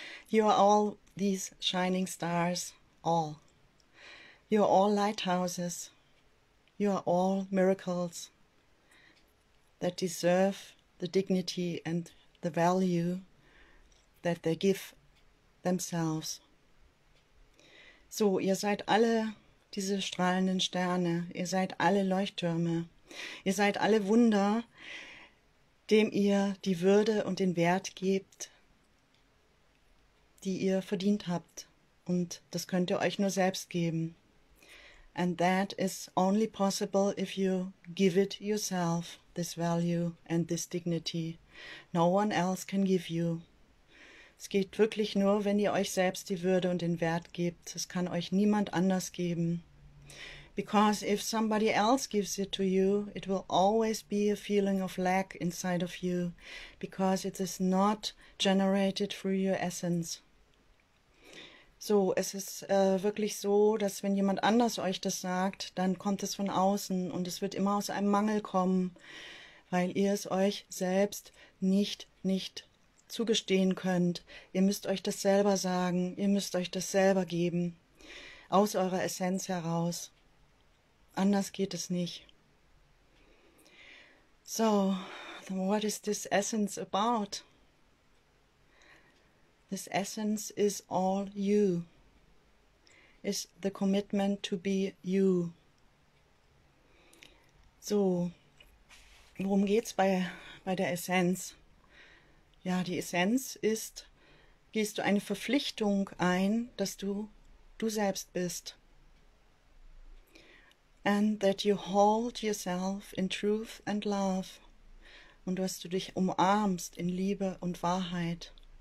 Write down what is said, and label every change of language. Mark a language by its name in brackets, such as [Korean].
[English] You are all these shining stars, all. You are all lighthouses. You are all miracles that deserve the dignity and the value that they give themselves. [German] So, ihr seid alle diese strahlenden Sterne, ihr seid alle Leuchttürme, ihr seid alle Wunder, dem ihr die Würde und den Wert gebt, die ihr verdient habt. Und das könnt ihr euch nur selbst geben. [English] And that is only possible if you give it yourself, this value and this dignity. No one else can give you. [German] Es geht wirklich nur, wenn ihr euch selbst die Würde und den Wert gebt. Es kann euch niemand anders geben. [English] Because if somebody else gives it to you, it will always be a feeling of lack inside of you, because it is not generated through your essence. [German] So, es ist wirklich so, dass wenn jemand anders euch das sagt, dann kommt es von außen und es wird immer aus einem Mangel kommen, weil ihr es euch selbst nicht zugestehen könnt. Ihr müsst euch das selber sagen, ihr müsst euch das selber geben, aus eurer Essenz heraus. Anders geht es nicht. [English] So, what is this essence about? This essence is all you, is the commitment to be you. [German] So, worum geht's bei der Essenz? Ja, die Essenz ist, gehst du eine Verpflichtung ein, dass du selbst bist. [English] And that you hold yourself in truth and love. [German] Und dass du dich umarmst in Liebe und Wahrheit.